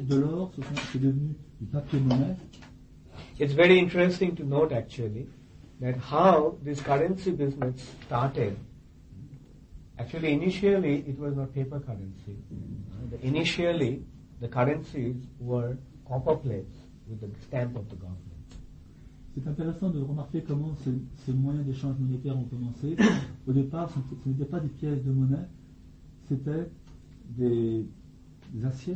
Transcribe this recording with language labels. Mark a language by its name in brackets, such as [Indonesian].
[French] De l'or, c'est devenu du papier monnaie. [English] It's very interesting to note actually that how this currency business started. Actually, initially it was not paper currency. Initially, the currencies were copper plates with the stamp of the government. [French] C'est intéressant de remarquer comment ces moyens d'échange monétaire ont commencé. Au départ, ce n'était pas des pièces de monnaie, c'était des acier